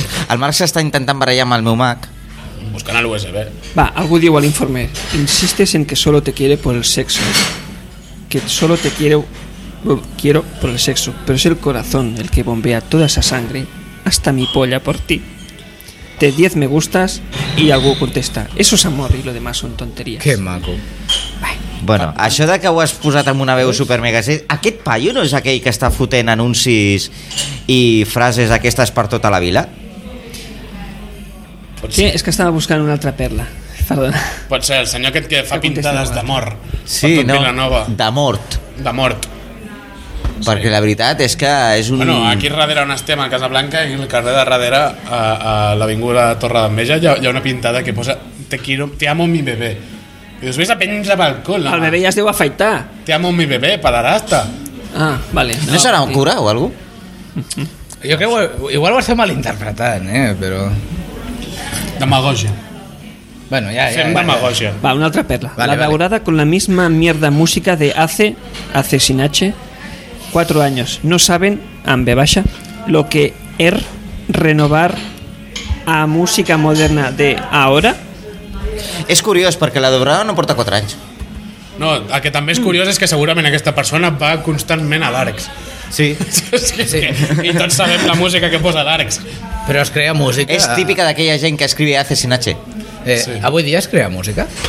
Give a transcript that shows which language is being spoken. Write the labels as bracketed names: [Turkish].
[Catalan] El Marc s'està intentant barallar amb el meu Mac. Buscant el USB. Va, algú diu a l'informe: [Spanish] insistes en que solo te quiere por el sexo. Que solo te quiero por el sexo. Pero es el corazón el que bombea toda esa sangre hasta mi polla por ti. de 10 me gustas y [Catalan] algú contesta: [Spanish] eso es amor y lo demás son tonterías. [Catalan] Que maco. Bueno, això de que ho has posat amb una veu super mega, aquest paio no és aquell que està fotent anuncis i frases aquestes per tota la vila? Sí, és que estava buscant una altra perla. Perdona. Pot ser el senyor aquest que fa pintades d'amor. Sí, no, de mort. De mort. Perquè la veritat és que és un... Bueno, aquí darrere on estem, a Casablanca, i al carrer de darrere, a l'avinguda Torre d'Enveja, hi ha una pintada que posa: [Spanish] te quiero, te amo mi bebé. [Catalan] I després apenys el balcó, no? El bebé ja es deu afaitar. [Spanish] Te amo mi bebé, pederasta. [Catalan] Ah, vale. No serà un cura o algú? Mm-hmm. Jo crec que igual ho estem malinterpretant, però... Demagogia. [Spanish] Bueno, ya, [Catalan] fem demagogia. Va, una altra perla. Vale, la daurada vale. [Spanish] Con la misma mierda música de hace sin H, 4 años. No saben, en B baixa, lo que es renovar a música moderna de ahora. [Catalan] És curiós perquè la Dobrada no porta 4 anys. No, el que també és curiós és que segurament aquesta persona va constantment a l'Arx. Sí. Sí. I tots sabem la música que posa l'Arx. Però es crea música. És típica d'aquella gent que escriu hace sin H. Avui dia es crea música.